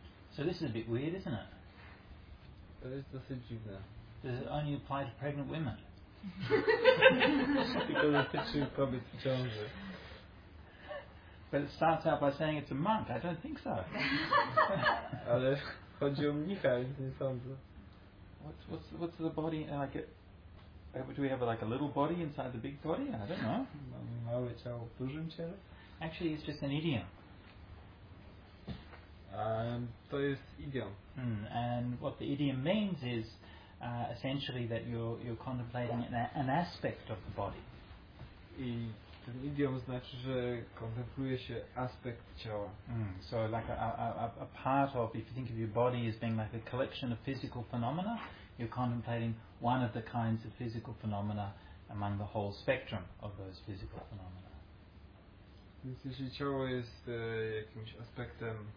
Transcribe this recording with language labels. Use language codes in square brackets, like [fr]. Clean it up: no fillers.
[en] So this is a bit weird, isn't it? [pl] To jest dosyć dziwne. [en] Does it only apply to pregnant women? [pl] Tylko dotyczy kobiet w ciąży. [en] But it starts out by saying it's a monk. I don't think so. [pl] Ale chodzi o mnicha, więc nie sądzę. [en] What's the body like? Do we have like a little body inside the big body? I don't know. [pl] Mamy małe ciało w dużym ciele? [en] Actually, it's just an idiom. [pl] To jest idiom. [en] Mm, and what the idiom means is essentially that you're contemplating an aspect of the body. [pl] I ten idiom znaczy, że kontempluje się aspekt ciała. [en] Mm, so like a part of, if you think of your body as being like a collection of physical phenomena, you're contemplating one of the kinds of physical phenomena among the whole spectrum of those physical phenomena. [pl] Więc jeśli ciało jest jakimś aspektem